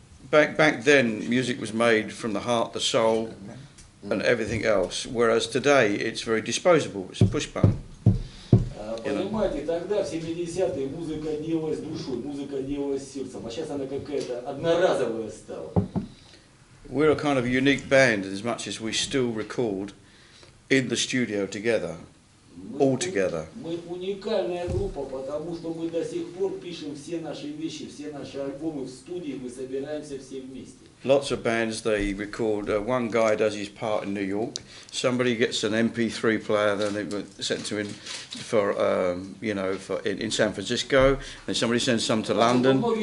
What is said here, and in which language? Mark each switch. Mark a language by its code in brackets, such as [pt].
[en] Back then, music was made from the heart, the soul, and everything else. Whereas today, it's very disposable. It's a push button. [ru] Понимаете, тогда в 70-е музыка делалась душой, музыка делалась сердцем, а сейчас она какая-то одноразовая стала. [en] We're a kind of unique band, as much as we still record in the studio together, all together. [ru] Мы уникальная группа, потому что мы до сих пор пишем все наши вещи, все наши альбомы в студии, мы собираемся все вместе. [en] Lots of bands, they record, one guy does his part in New York, somebody gets an MP3 player, then they send to him for, you know, for in San Francisco, and somebody sends some to London.